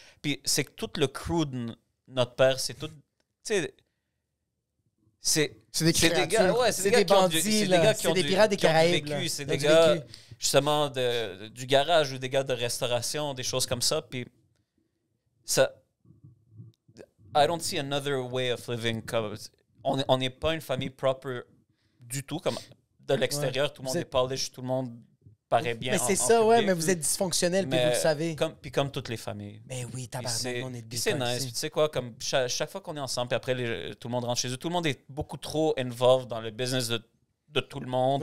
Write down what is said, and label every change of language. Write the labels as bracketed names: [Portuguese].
[French] Puis c'est que tout le crew de notre père, c'est tout... Tu sais, c'est des créatures. C'est des gars, c'est des pirates des Caraïbes. C'est des gars, justement, du garage ou des gars de restauration, des choses comme ça. Puis ça... [English] I don't see another way of living. [French] On n'est pas une famille propre du tout. Comme de l'extérieur, tout le monde est parlé, tout le monde... paraît bien. Mais c'est ça, public. Mais vous êtes dysfonctionnel, puis vous le savez. Puis comme toutes les familles. Mais oui, tabarnak, on est dysfonctionnel. C'est nice. Tu sais quoi, comme chaque fois qu'on est ensemble, puis après, tout le monde rentre chez eux, tout le monde est beaucoup trop involved dans le business de tout le monde.